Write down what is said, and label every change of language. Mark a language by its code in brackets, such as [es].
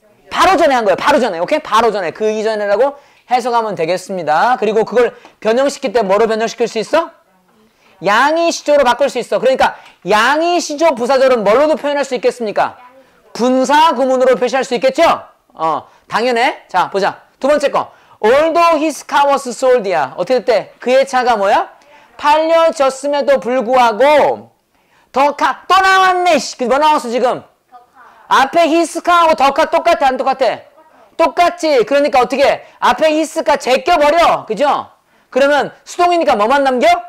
[ko] 바로 전에 한 거예요. 바로 전에. 오케이? 바로 전에. 그 이전에라고 해석하면 되겠습니다. 그리고 그걸 변형시킬 때 뭐로 변형시킬 수 있어? 양의 시조로 바꿀 수 있어. 그러니까 양의 시조 부사절은 뭘로도 표현할 수 있겠습니까? 분사 구문으로 표시할 수 있겠죠? 당연해. 자, 보자. 두 번째 거. [en] Although his car was sold, [ko] 야. 어떻게 됐대? 그의 차가 뭐야? 팔려졌음에도 불구하고 더 카. 또 나왔네. 뭐 나왔어 지금? 앞에 his car하고 더 카 똑같아? 안 똑같아? 똑같지. 그러니까 어떻게? 앞에 his car 제껴버려. 그죠? 그러면 수동이니까 뭐만 남겨?